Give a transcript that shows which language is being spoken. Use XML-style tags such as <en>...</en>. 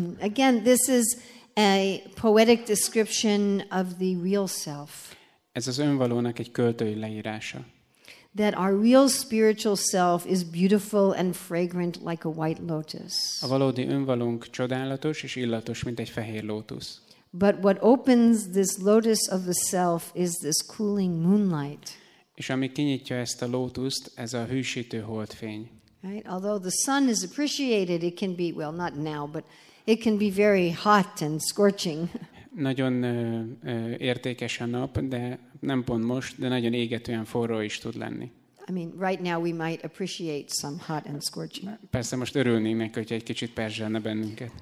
<en>Again, this is a poetic description of the real self.</en> <hu>Ez az önvalónak egy költői leírása.</hu> <en>That our real spiritual self is beautiful and fragrant like a white lotus.</en> <hu>A valódi önvalónk csodálatos és illatos, mint egy fehér lótusz.</hu> <en>But what opens this lotus of the self is this cooling moonlight.</en> <hu>És ami kinyitja ezt a lótuszt, ez a hűsítő holdfény.</hu> <en>Right? Although the sun is appreciated, it can be, well, not now, but it can be very hot and scorching.</en> <hu>Nagyon értékes a nap, de nem pont most, de nagyon égetően forró is tud lenni.</hu> <en>I mean, right now we might appreciate some hot and scorching.</en> <hu>Persze most örülnénk neki, hogy egy kicsit perzselne bennünket.</hu>